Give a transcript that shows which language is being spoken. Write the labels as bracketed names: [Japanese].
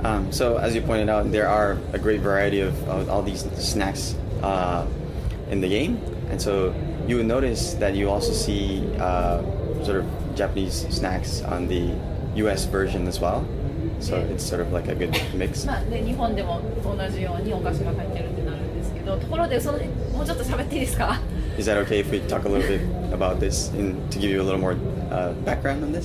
[English] So as you pointed out, there are a great variety of all these snacks in the game, and so you would notice that you also see sort of Japanese snacks on the U.S. version as well. So it's sort of like a good mix. [Japanese] まあ、で、日本でも同じようにお菓子が入ってるってなるんですけど、ところでそのもうちょっと喋っていいですか？ [English] Is that okay if we talk a little bit about this in, to give you a little more background on this?